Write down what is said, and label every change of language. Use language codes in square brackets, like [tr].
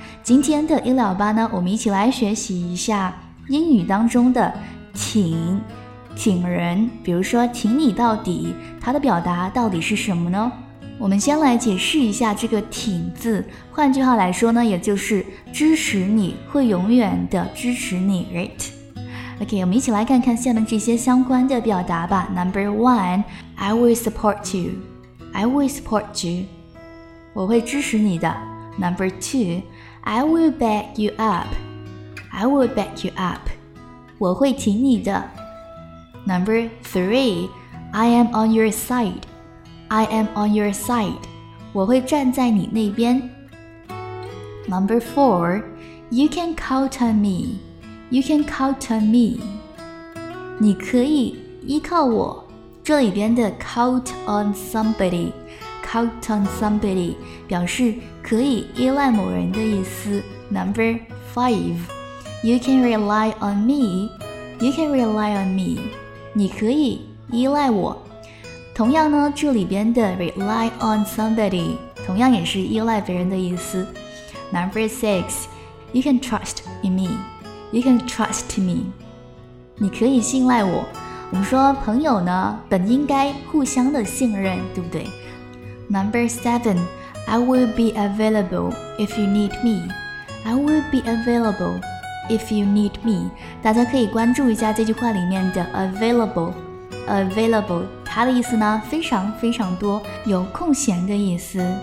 [zh] 今天的168呢，我们一起来学习一下英语当中的挺人，比如说挺你到底，它的表达到底是什么呢？我们先来解释一下这个挺字，换句话来说呢，也就是支持你，会永远的支持你， right？ OK， 我们一起来看看下面这些相关的表达吧。 [en] Number one， I will support you， I will support you， [zh] 我会支持你的。 [en] Number two， I will back you up， I will back you up， [zh] 我会挺你的。 [en] Number three, I am on your side. I am on your side. [zh] 我会站在你那边。 [en] Number four, you can count on me. You can count on me. [zh] 你可以依靠我。这里边的 [en] count on somebody, count on somebody [zh] 表示可以依赖某人的意思。 [en] Number five, you can rely on me. You can rely on me. [zh] 你可以依赖我。同样呢，这里边的 [en] rely on somebody [zh] 同样也是依赖别人的意思。 [en] Number six, you can trust in me, you can trust me, [zh] 你可以信赖我。我们说朋友呢本应该互相的信任，对不对？ [en] Number seven, I will be available if you need me, [zh] I will be availableIf you need me， 大家可以关注一下这句话里面的 available， 它的意思呢非常非常多，有空闲的意思。